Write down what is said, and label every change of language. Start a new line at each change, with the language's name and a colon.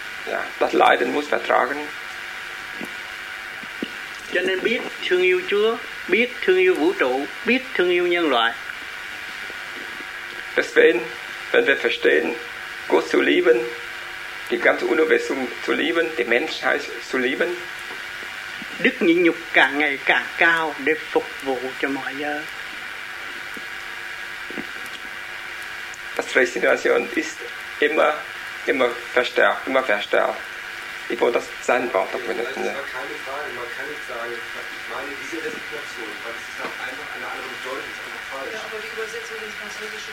German: Ja, das Leiden muss vertragen.
Vietnamese: Cho nên biết thương yêu Chúa, biết thương yêu vũ trụ, biết thương yêu nhân loại.
German: Deswegen, wenn wir verstehen, Gott zu lieben, die ganze Universum zu lieben, die Menschheit zu lieben,
Vietnamese: đức nhịn nhục càng ngày càng cao để phục vụ cho mọi giới.
German: Das Resignation ist immer verstärkt. Ich wollte das sein Wort auch benutzen. Das war keine Frage, man kann nicht sagen, ich meine diese Resignation, weil es ist auch einfach eine andere Bedeutung, es ist einfach falsch. Ja, aber die Übersetzung ins Französische